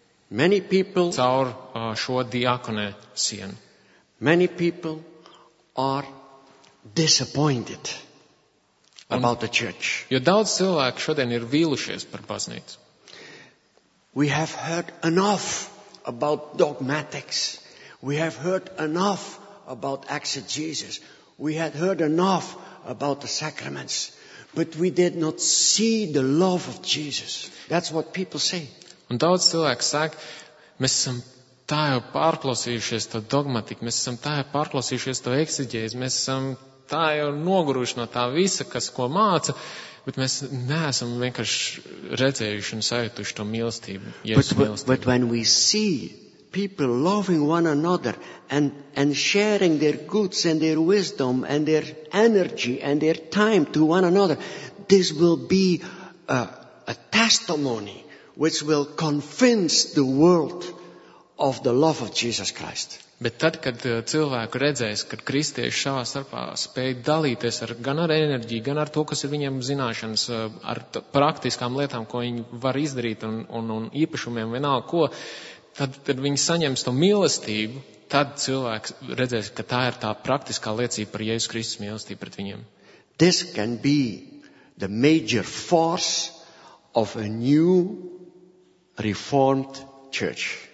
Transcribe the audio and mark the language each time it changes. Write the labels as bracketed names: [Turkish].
[English] many people, [Latvian] caur šo diakonē sienu. [English] Many people are disappointed about the church. [Latvian] Jo daudz cilvēku šodien ir vīlušies par baznīcu. [English] We have heard enough about dogmatics. We have heard enough about exegesis. We had heard enough about the sacraments. But we did not see the love of Jesus. That's what people say. [Latvian] Un daudz cilvēku saka, mēs esam tā jau pārklausījušies to dogmatiku, mēs esam tā jau pārklausījušies to eksegēzi, mēs esam tā jau noguruši no tā visa, kas ko māca. Bet mēs neesam vienkārši redzējuši un sajūtuši to mīlestību, Jēzus mīlestību. [English] But when we see people loving one another and sharing their goods and their wisdom and their energy and their time to one another, this will be a testimony which will convince the world of the love of Jesus Christ. [Latvian] Bet tad, kad cilvēki redzēs, kad kristieši savā starpā spēj dalīties ar, gan ar enerģiju, gan ar to, kas ir viņiem zināšanas, ar praktiskām lietām, ko viņi var izdarīt un īpašumiem vienalga ko, tad viņi saņems to mīlestību, tad cilvēks redzēs, ka tā ir tā praktiskā liecība par Jēzus Kristus mīlestību pret viņiem. [English] This can be the major force of a new reformed church.